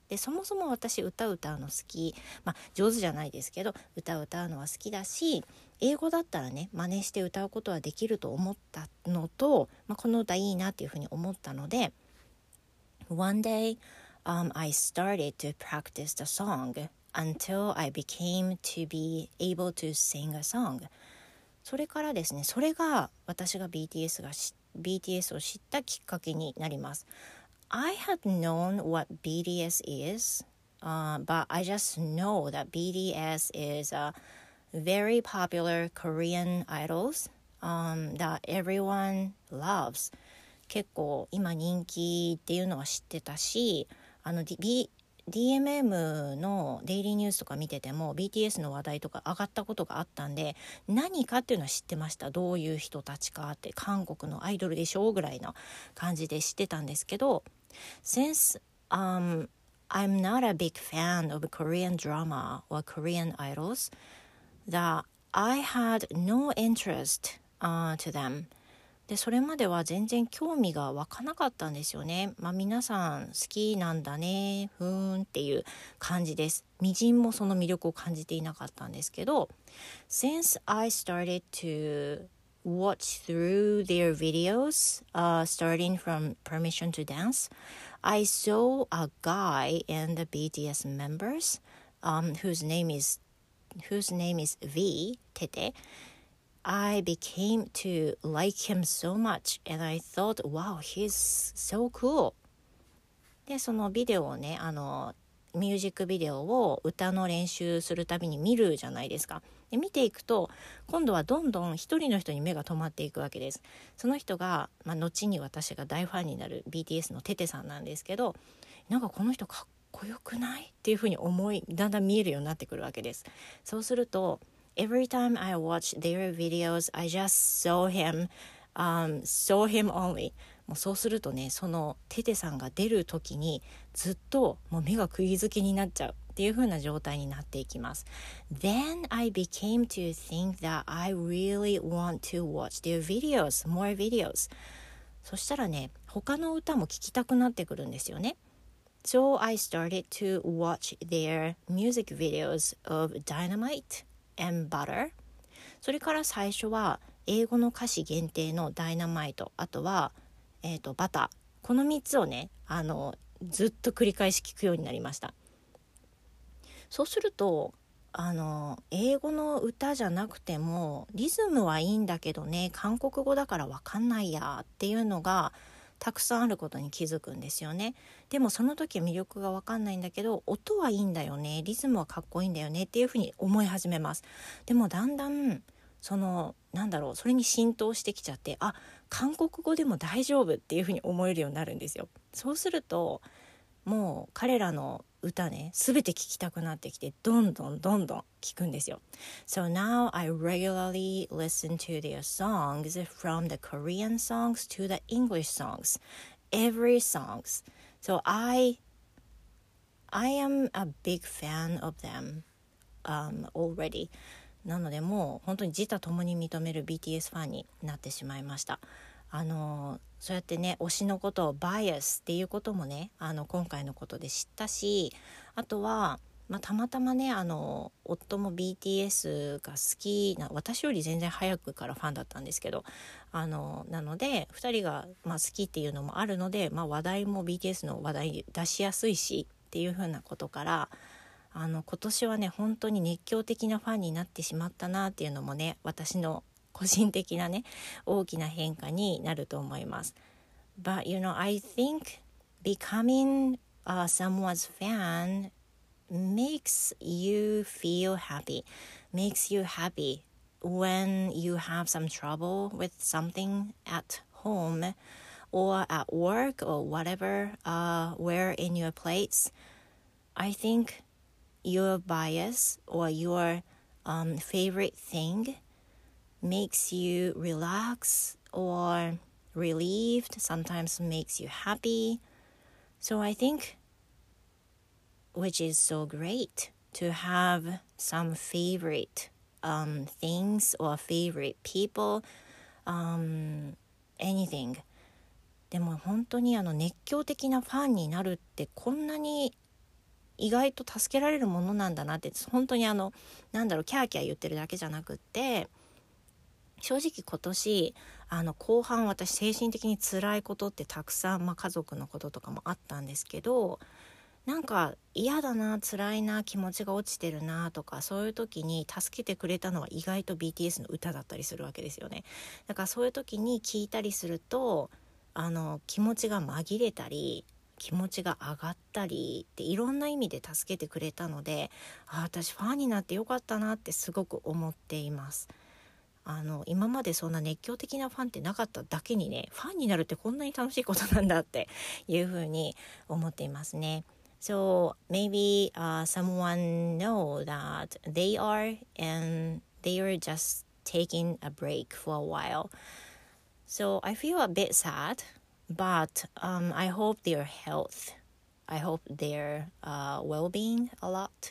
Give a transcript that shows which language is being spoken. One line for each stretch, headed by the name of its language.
Japanese: で、そもそも私歌う歌うの好き、上手じゃないですけど歌う歌うのは好きだし、英語だったらね、真似して歌うことはできると思ったのと、この歌いいなっていうふうに思ったので、
English: One day, I started to practice the song until I became to be able to sing a song.
Japanese: それからですね、それが私が BTS を知ったきっかけになります。
English: I had known what BTS is, but I just know that BTS is aVery popular Korean idols that everyone loves.
Japanese: 結構今人気っていうのは知ってたし、DMM のデイリーニュースとか見てても BTS の話題とか上がったことがあったんで、何かっていうのは知ってました。どういう人たちかって、韓国のアイドルでしょうぐらいの感じで知ってたんですけど、
English: Since I'm not a big fan of Korean drama or Korean idolsThat I had no interest to them.
Japanese: でそれまでは全然興味が湧かなかったんですよね。まあ皆さん好きなんだねふーんっていう感じです。みじんもその魅力を感じていなかったんですけど、
English: Since I started to watch through their videos, starting from Permission to Dance, I saw a guy in the BTS members, whose name is V Tete. I became to like him so much, and I thought, wow, he's so cool.
Japanese: で、そのビデオをね、あのミュージックビデオを歌の練習するたびに見るじゃないですか。で見ていくと今度はどんどん一人の人に目が止まっていくわけです。その人が、まあ、後に私が大ファンになる BTS のテテさんなんですけど、なんかこの人かっこよくないっていうふうに思い、だんだん見えるようになってくるわけです。そうすると Every time I watch their videos I just saw him、saw him only。もうそうするとね、そのテテさんが出る時にずっともう目が釘付けになっちゃうっていう風な状態になっていきます。
English: Then I became to think that I really want to watch their videos, more videos.
Japanese: そしたらね、他の歌も聴きたくなってくるんですよね。
English: So I started to watch their music videos of Dynamite and Butter.
Japanese: それから最初は英語の歌詞限定の Dynamite、 あとは、Butter、 この3つをね、あのずっと繰り返し聴くようになりました。そうすると、あの英語の歌じゃなくてもリズムはいいんだけどね、韓国語だからわかんないやっていうのがたくさんあることに気づくんですよね。でもその時魅力がわかんないんだけど、音はいいんだよね、リズムはかっこいいんだよねっていうふうに思い始めます。でもだんだんそのなんだろう、それに浸透してきちゃって、あ、韓国語でも大丈夫っていうふうに思えるようになるんですよ。そうするともう彼らの歌ね、すべて聴きたくなってきて、どんどんどんどん聴くんですよ。
English: So now I regularly listen to their songs, from the Korean songs to the English songs, every songs. So I am a big fan of them already.
Japanese: なのでもう本当に自他ともに認める BTS ファンになってしまいました。そうやってね、推しのことをバイアスっていうこともね、あの今回のことで知ったし、あとは、まあ、たまたまね、あの夫も BTS が好きな、私より全然早くからファンだったんですけど、あのなので2人が、まあ、好きっていうのもあるので、まあ、話題も BTS の話題出しやすいしっていうふうなことから、あの今年はね本当に熱狂的なファンになってしまったなっていうのもね、私の個人的なね、大きな変化になると思います。
English: But you know, I think becoming someone's fan makes you feel happy. Makes you happy when you have some trouble with something at home or at work or whatever, where in your place. I think your bias or your favorite thing makes you relax or relieved, sometimes makes you happy. So I think, which is so great to have some favorite things or favorite people, anything.
Japanese: でも本当にあの熱狂的なファンになるってこんなに意外と助けられるものなんだなって、本当にあのなんだろう、キャーキャー言ってるだけじゃなくって。正直今年あの後半、私精神的に辛いことってたくさん、まあ、家族のこととかもあったんですけど、なんか嫌だな、辛いな、気持ちが落ちてるなとか、そういう時に助けてくれたのは意外と BTS の歌だったりするわけですよね。だからそういう時に聞いたりすると、あの気持ちが紛れたり気持ちが上がったりって、いろんな意味で助けてくれたので、あ、私ファンになってよかったなってすごく思っています。あの今までそんな熱狂的なファンってなかっただけにね、ファンになるってこんなに楽しいことなんだっていうふうに思っていますね。
English: So maybe someone know that they are and they are just taking a break for a while. So I feel a bit sad, but I hope their health, I hope their well-being a lot.